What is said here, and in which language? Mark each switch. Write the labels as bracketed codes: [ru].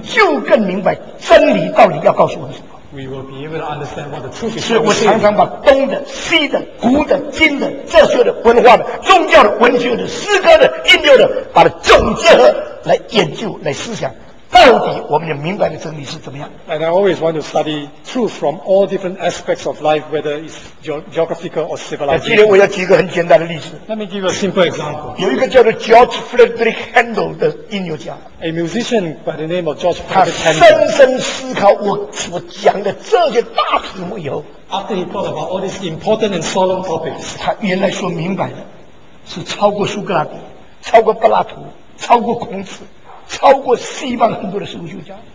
[zh] 就更明白真理到底要告诉我们什么。 [en] We will be able to understand what the truth is. [zh] 所以我常常把东的、西的、古的、今的、哲学的、文化的、宗教的、文学的、诗歌的、音乐的，把它总结合来研究、来思想。到底我们要明白的真理是怎么样 [en] ？And I always want to study truth from all different aspects of life, whether it's geographical or civilized. [zh] 今天我要举一个很简单的例子。 [en] Let me give you a simple example. [zh] 有一个叫做 George Frederick Handel 的音乐家。 [en] A musician by the name of George Frederick Handel. [zh] 他深深思考我讲的这些大题目以后 [en] ，After he thought about all these important and solemn topics, [zh] 他原来说明白的是超过苏格拉底，超过柏拉图，超过孔子。超过西方很多的神学家。